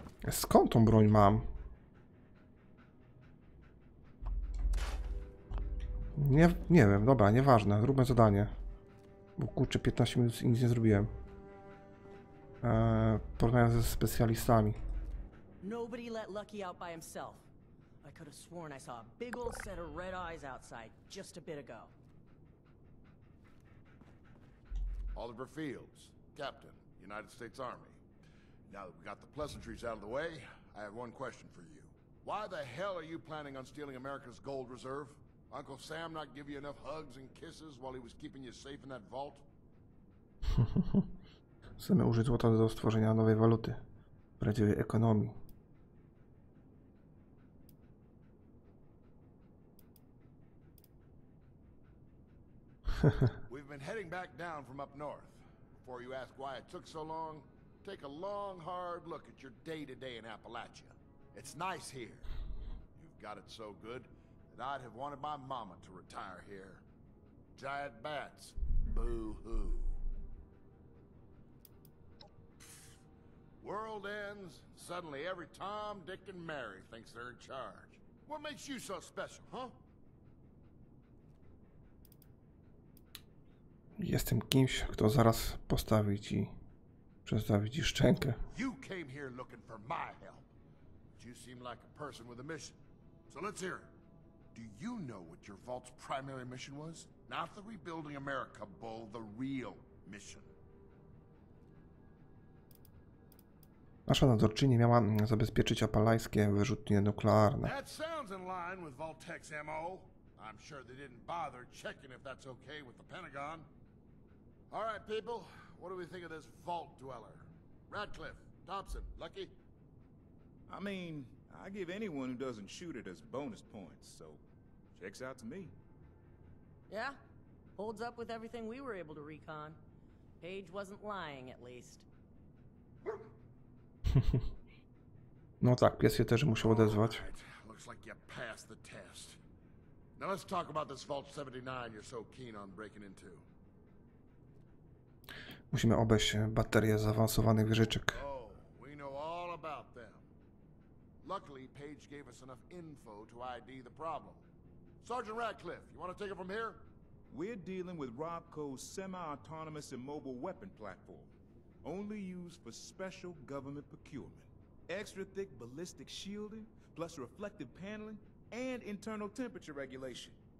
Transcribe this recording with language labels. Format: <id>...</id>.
<pl>Skąd tą broń mam? Nie wiem, dobra, nieważne, zróbmy zadanie. Bo kurczę, 15 minut i nic nie zrobiłem. Porównaj ze specjalistami.</pl> <en>Nobody let Lucky out by himself. I could have sworn I saw a big old set of red eyes outside just a bit ago. Oliver Fields, Captain, United States Army. Now that we got the pleasantries out of the way, I have one question for you. Why the hell are you planning on stealing America's gold reserve? Uncle Sam not give you enough hugs and kisses while he was keeping you safe in that vault?</en> <pl>Chcemy użyć złota do stworzenia nowej waluty, prawdziwej ekonomii.</pl> <en>We've been heading back down from up north. Before you ask why it took so long, take a long, hard look at your day-to-day in Appalachia. It's nice here. You've got it so good that I'd have wanted my mama to retire here. Giant bats, boo-hoo. World ends, suddenly every Tom, Dick, and Mary thinks they're in charge. What makes you so special, huh?</en> <pl>Jestem kimś, kto zaraz postawi ci, przestawi ci szczękę.</pl> <en>You came here looking for my help. But you seem like a person with a mission. So let's hear it. Do you know what your vault's primary mission was? Not the rebuilding America, Bull, the real mission.</en> <pl>Nasza nadzorczyni miała zabezpieczyć apalajskie wyrzutnie nuklearne.</pl> <en>That sounds in line with Vault-Tec's MO. I'm sure they didn't bother checking if that's okay with the Pentagon. All right, people, what do we think of this vault dweller? Radcliffe, Thompson, Lucky? I mean, I give anyone who doesn't shoot it as bonus points, so checks out to me. Yeah, holds up with everything we were able to recon. Page wasn't lying, at least.</en> <pl>No tak, pies się też musiał odezwać.</pl> <en>Looks like you passed the test. Now let's talk about this Vault 79 you're so keen on breaking into.</en> <pl>Musimy obejść baterie zaawansowanych wieżyczek.</pl> <en>Oh, we know all about them. Luckily, Page gave us enough info to ID the problem. Sergeant Radcliffe, you want to take it from here? We're dealing with Robco's semi-autonomous immobile weapon platform. Only used for special government procurement. Extra thick ballistic shielding, plus reflective paneling, and internal temperature regulation.</en>